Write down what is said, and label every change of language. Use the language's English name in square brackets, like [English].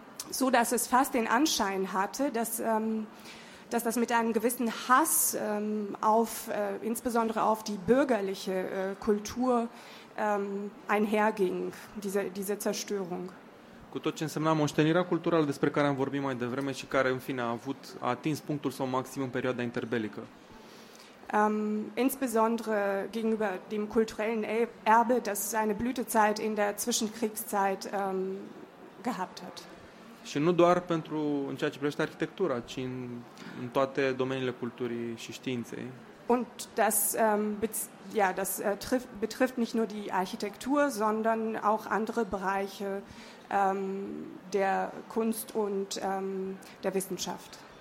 [German] So dass es fast den Anschein hatte, dass dass das mit einem gewissen Hass auf insbesondere auf die bürgerliche Kultur einherging, diese Zerstörung. [Romanian] Cu tot ce însemna moștenirea culturală despre care am vorbit mai devreme și care, în fine, a atins punctul său maxim în perioada interbelică. [German] Insbesondere gegenüber dem kulturellen Erbe, das seine Blütezeit in der Zwischenkriegszeit gehabt hat. [Romanian] Și nu doar pentru în ceea ce privește arhitectura, ci în toate domeniile culturii și științei. [German] Und das ja, das betrifft nicht nur die Architektur, sondern auch andere Bereiche der Kunst und der Wissenschaft.